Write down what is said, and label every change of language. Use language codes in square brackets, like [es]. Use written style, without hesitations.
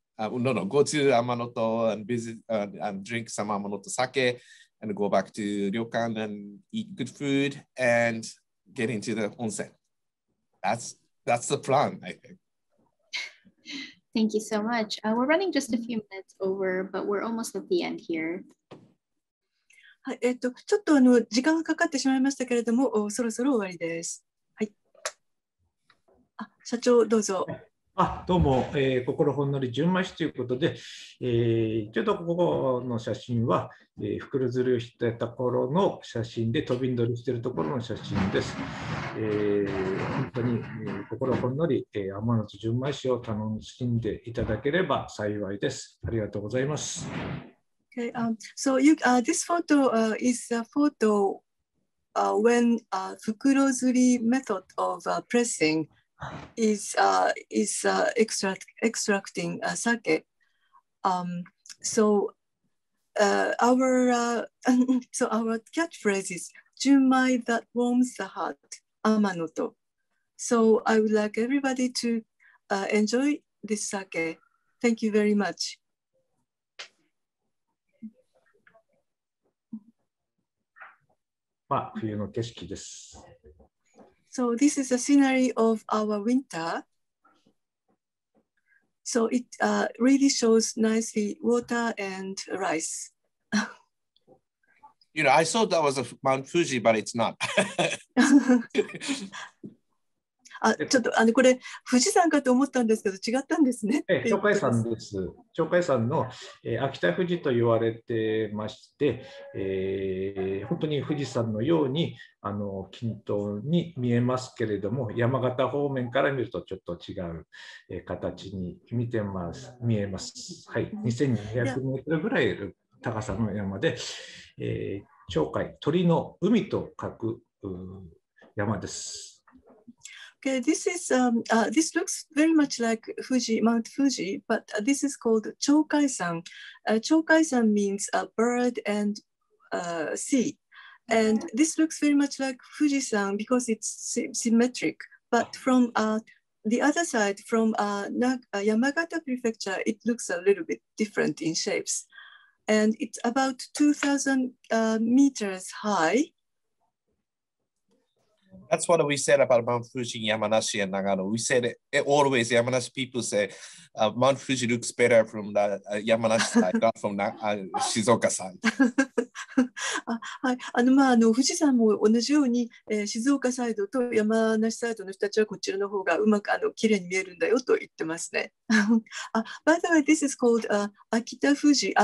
[en] Go to Amanoto and visit and drink some Amanoto sake and go back to ryokan and eat good food and get into the onsen. That's the plan, I think. Thank you so much. We're running just a few minutes over, but we're almost at the end here. [ja] はい、ちょっと時間がかかってしまいましたけれども、そろそろ終わりです。はい。あ、社長どうぞ。あ、どうも、心ほんのり純米酒ということで、ちょっとここの写真は、袋ずりをしてた頃の写真で、飛びんどりしているところの写真です。本当に、心ほんのり、天野津純米酒を楽しんでいただければ幸いです。ありがとうございます。 [en] Okay, so you, this photo is a photo when a 袋ずり method of pressing is extracting sake. So our catchphrase is Junmai that warms the heart, Amanoto. So I would like everybody to enjoy this sake. Thank you very much. [ja] まあ、冬の景色です。 [en] So this is a scenery of our winter. So it really shows nicely water and rice. You know, I thought that was a Mount Fuji, but it's not. [ja] あ、ちょっとこれ富士山かと思ったんですけど違ったんですね。鳥海山です。鳥海山の、秋田富士と言われてまして、本当に富士山のように均等に見えますけれども、山形方面から見るとちょっと違う、形に見てます見えます。はい、2200メートルぐらいある高さの山で、鳥海鳥の海と書く山です。 [en] Okay, this is this looks very much like Fuji, Mount Fuji, but this is called Chōkai-san. Chōkai-san means a bird and sea, and this looks very much like Fuji-san because it's symmetric. But from the other side, from Yamagata Prefecture, it looks a little bit different in shapes, and it's about 2,000 meters high. That's what we said about Mount Fuji in Yamanashi and Nagano. We said it always, Yamanashi people say, Mount Fuji looks better from the Yamanashi side, not from Shizuoka side. [ja] はい、まあ、富士山も同じように、静岡サイドと山梨サイドの人たちはこちらの方がうまくきれいに見えるんだよと言ってますね。 [en] By the way, this is called Akita Fuji.